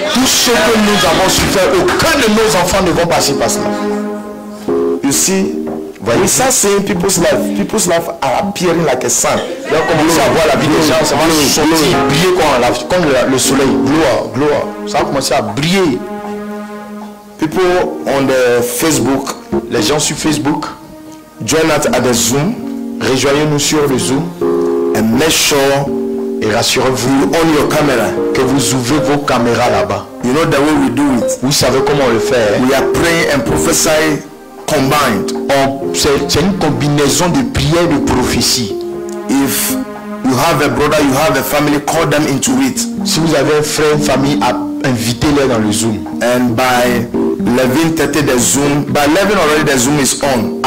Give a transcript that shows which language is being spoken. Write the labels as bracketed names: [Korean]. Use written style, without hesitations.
[French] Tout ce que nous avons souffert, aucun de nos enfants ne vont passer par cela. [English] You see. But you start seeing people's life are appearing like a sun. [French] Là, comme vous allez voir la vie des gens, ça va commencer à briller comme le soleil. Gloire, gloire. Ça va commencer à briller. [English] People on the Facebook, [French] les gens sur Facebook, [English] join us at the Zoom. [French] Rejoignez-nous sur le Zoom. [English] And make sure [French] et rassurez-vous [English] on your camera [French] que vous ouvrez vos caméras là-bas. [English] You know the way we do it. [French] Vous savez comment on le fait. [English] We are praying and prophesying. Combined, [French] c'est une combinaison de prières et de prophéties. [English] If you have a brother, you have a family, call them into it. [French] Si vous avez un frère, une famille, invitez-les dans le Zoom. [English] And by 11:30 the Zoom, by 11 already the Zoom is on.